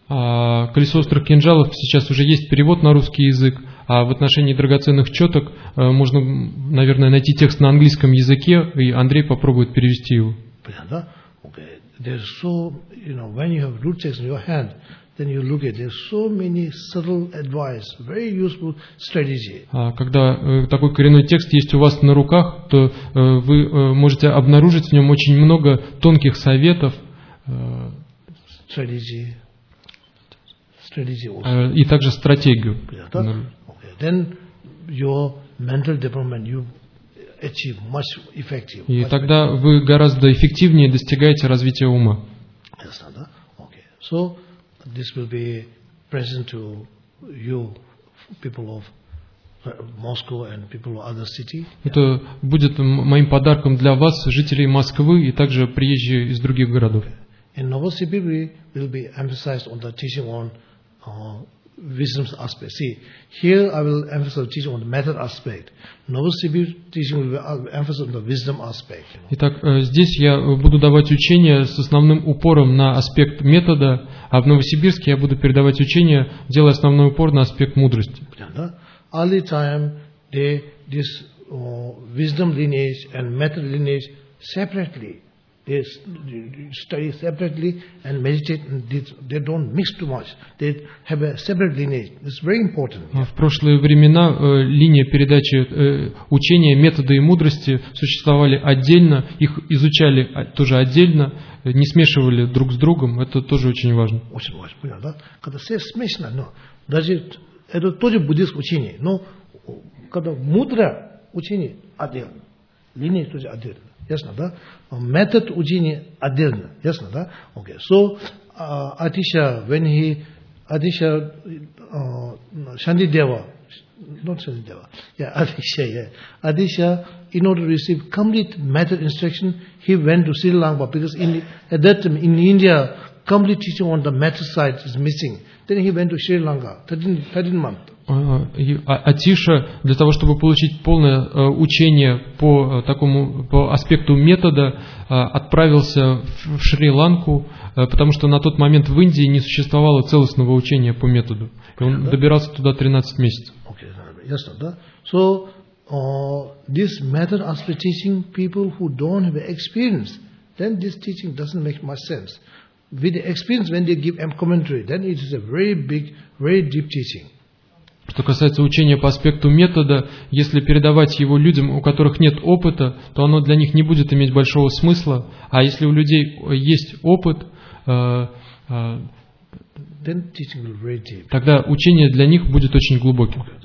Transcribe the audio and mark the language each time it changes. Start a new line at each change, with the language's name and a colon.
Russian: Колесо острых кинжалов сейчас уже есть перевод на русский язык, а в отношении драгоценных четок можно, наверное, найти текст на английском языке, и Андрей попробует перевести его. Понятно? Okay.
English: There's so, you know, when you have root text in your hand, then you look at there's so many subtle advice, very useful strategy.
Russian: Когда такой коренной текст есть у вас на руках, то вы можете обнаружить в нем очень много тонких советов.
English: Strategy also.
Russian: И также стратегию.
English: Okay. Then your mental development you achieve much effective.
Russian: И тогда вы гораздо эффективнее достигаете развития ума. Ясно, да? Okay.
English: So this will be present to you, people of Moscow and people of other city.
Russian: Это будет моим подарком для вас, жителей Москвы, и также приезжие из других городов.
English: In Novosibirsk will be emphasized on the teaching on wisdom aspect. See, here I will emphasize teaching on the method aspect. Novosibirsk teaching will be emphasized on the wisdom aspect.
Russian: Итак, здесь я буду давать учение с основным упором на аспект метода, а в Новосибирске я буду передавать учение, делая основной упор на аспект мудрости.
English: Early time, this wisdom lineage and method lineage separately. They study separately and meditate. And they don't mix too much. They have a separate lineage. It's very important.
Russian: В прошлые времена линия передачи учения, методы и мудрости существовали отдельно. Их изучали тоже отдельно, не смешивали друг с другом. Это тоже очень важно. Очень важно, понятно, да? Когда все смешно, но даже это тоже буддийское учение. Но когда мудрое учение отдельно, линия тоже отдельно. Ясно, да? Метод учения отдельно. Ясно, да? Окей.
English: So, Адиша, when he, Адиша, Шандидева, not Шандидева, yeah, Адиша, yeah. Адиша, in order to receive complete method instruction, he went to Sri Lanka, because at that time in India, complete teaching on the method side is missing. Then he went to Sri Lanka, 13 months.
Russian: Адиша, для того, чтобы получить полное учение по такому по аспекту метода, отправился в Шри-Ланку, потому что на тот момент в Индии не существовало целостного учения по методу. И он добирался туда 13 месяцев. Okay, ясно, да?
English: So, this method aspect teaching people who don't have experience, then this teaching doesn't make much sense. With the experience, when they give commentary, then it is a very big, very deep teaching.
Russian: Что касается учения по аспекту метода, если передавать его людям, у которых нет опыта, то оно для них не будет иметь большого смысла. А если у людей есть опыт, тогда учение для них будет очень глубоким.